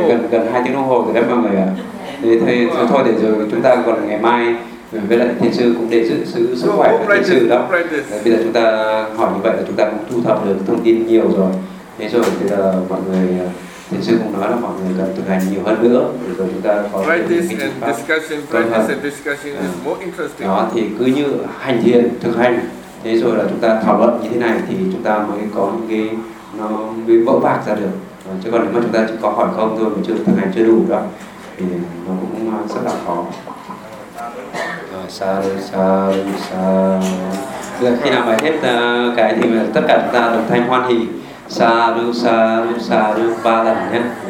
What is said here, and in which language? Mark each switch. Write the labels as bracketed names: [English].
[Vietnamese] Gần 2 tiếng đồng hồ rồi đấy mọi người ạ. Thôi để rồi chúng ta còn ngày mai với lại thiền sư cũng để giữ sức khỏe của thiền sư đó. Bây giờ chúng ta hỏi như vậy là chúng ta cũng thu thập được thông tin nhiều rồi. Thế rồi bây giờ mọi người, thiền sư cũng nói là mọi người cần thực hành nhiều hơn nữa, rồi chúng ta có [English] practice and discussion is more interesting. [Vietnamese] Đó thì cứ như hành thiền, thực hành Thế rồi là chúng ta thảo luận như thế này thì chúng ta mới có những cái nó mới vỡ vạc ra được. Chứ còn nếu mà chúng ta chỉ có hỏi không thôi mà chưa thực hành chưa đủ rồi thì nó cũng rất là khó. Sa-ru-sa-ru-sa-ru. Khi nào mà hết cái thì tất cả chúng ta đồng thanh hoan hỷ Sa-ru-sa-ru-sa-ru ba lần nhé.